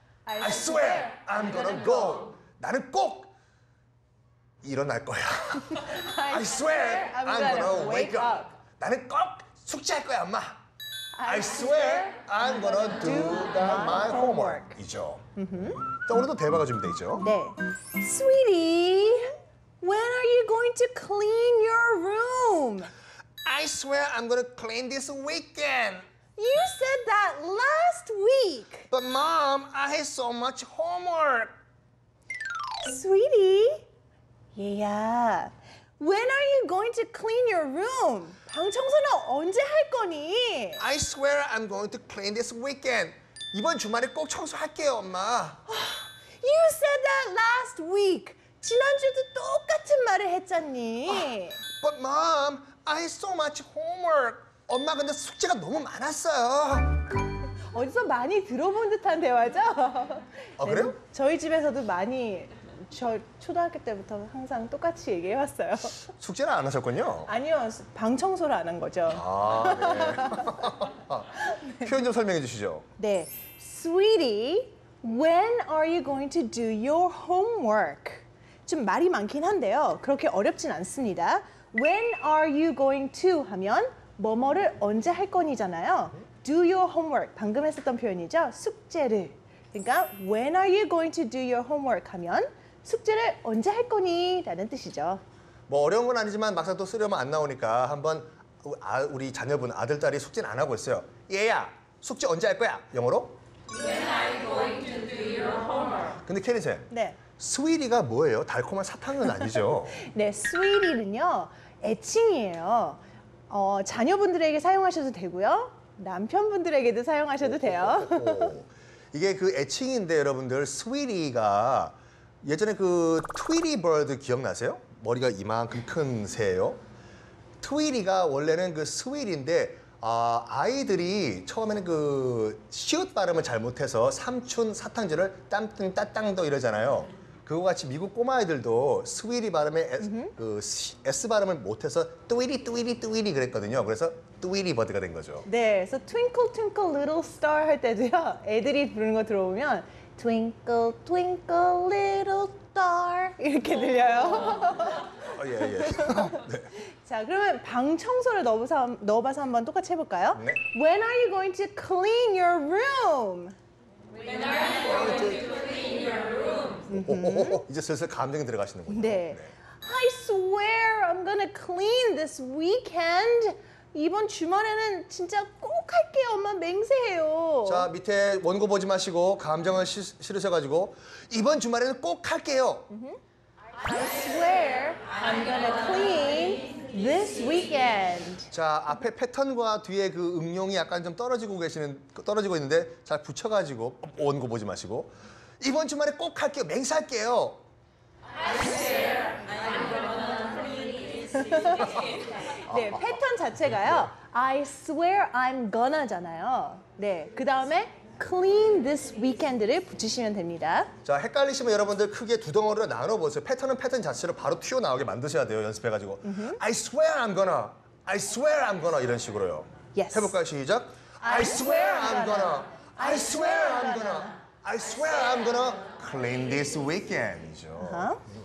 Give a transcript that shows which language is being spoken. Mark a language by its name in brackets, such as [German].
[English] I swear I'm gonna go. [Korean] 나는 꼭 일어날 거야. [English] I swear I'm gonna wake up. [Korean] 나는 꼭 숙제할 거야, 엄마. [English] I swear I'm gonna do my homework. [Korean] 이죠. 자, 오늘도 대화가 준비돼 있죠. 네. [English] Sweetie, when are you going to clean your room? I swear I'm gonna clean this weekend. You said that last week. But mom, I have so much homework. Sweetie, yeah. When are you going to clean your room? [Korean] 방 청소는 언제 할 거니? [English] I swear I'm going to clean this weekend. [Korean] 이번 주말에 꼭 청소할게요, 엄마. [English] You said that last week. [Korean] 지난주도 똑같은 말을 했잖니. [English] But mom, I have so much homework. [Korean] 엄마 근데 숙제가 너무 많았어요. 어디서 많이 들어본 듯한 대화죠? 아, 그래요? 네, 저희 집에서도 많이 저 초등학교 때부터 항상 똑같이 얘기해왔어요. 숙제는 안 하셨군요. 아니요, 방 청소를 안 한 거죠. 아, 네. 네. 표현 좀 설명해 주시죠. [English] 네, Sweetie, when are you going to do your homework? [Korean] 좀 말이 많긴 한데요. 그렇게 어렵진 않습니다. [English] When are you going to [Korean] 하면 뭐뭐를 언제 할 거니잖아요. [English] Do your homework, [Korean] 방금 했었던 표현이죠. 숙제를. 그러니까 [English] when are you going to do your homework [Korean] 하면 숙제를 언제 할 거니? 라는 뜻이죠. 뭐 어려운 건 아니지만 막상 또 쓰려면 안 나오니까 한번 우리 자녀분, 아들, 딸이 숙제는 안 하고 있어요. 얘야, 숙제 언제 할 거야? 영어로? [English] When are you going to do your homework? [Korean] 근데 캐리쌤, 네. 스위리가 뭐예요? 달콤한 사탕은 아니죠? 네, 스위리는요, 애칭이에요. 자녀분들에게 사용하셔도 되고요. 남편분들에게도 사용하셔도 돼요. 이게 그 애칭인데 여러분들, 스위리가 예전에 그 트위리 버드 기억나세요? 머리가 이만큼 큰 새예요. 트위리가 원래는 그 스윗인데 아이들이 처음에는 그 시옷 발음을 잘못해서 삼촌 사탕질을 땀뜬 따땅도 이러잖아요. 그거 같이 미국 꼬마애들도 스윗이 발음에 그 S 발음을 못해서 트위리 트위리 트위리 그랬거든요. 그래서 트위리 버드가 된 거죠. 네, 그래서 [English] twinkle twinkle little star [Korean] 할 때도요. 애들이 부르는 거 들어보면 [English] Twinkle, twinkle, little star [Korean] 이렇게 들려요. 예, 예. 네. 자, 그러면 방 청소를 넣어봐서 한번 똑같이 해볼까요? 네. [English] When are you going to clean your room? When are you going to clean your room? [Korean] 이제 슬슬 감정이 들어가시는군요. [English] 네. 네. I swear I'm gonna clean this weekend. [Korean] 이번 주말에는 진짜 꼭 할게요, 엄마 맹세해요. 자, 밑에 원고 보지 마시고 감정을 실으셔가지고 이번 주말에는 꼭 할게요. [English] I swear I'm gonna clean this weekend. [Korean] 자, 앞에 패턴과 뒤에 그 응용이 약간 좀 떨어지고 있는데 잘 붙여가지고 원고 보지 마시고 이번 주말에 꼭 할게요, 맹세할게요. [English] I swear I'm gonna clean this weekend. [Korean] 네, 패턴 자체가요. 네. [English] I swear I'm gonna [Korean] 잖아요. 네, 그 다음에 [English] clean this weekend [Korean] 를 붙이시면 됩니다. 자, 헷갈리시면 여러분들 크게 두 덩어리로 나눠보세요. 패턴은 패턴 자체로 바로 튀어나오게 만드셔야 돼요, 연습해가지고. [English] I swear I'm gonna, I swear I'm gonna [Korean] 이런 식으로요. [English] Yes. [Korean] 해볼까요, 시작? [English] I swear I'm gonna, I swear I'm gonna, I swear I'm gonna clean this weekend이죠.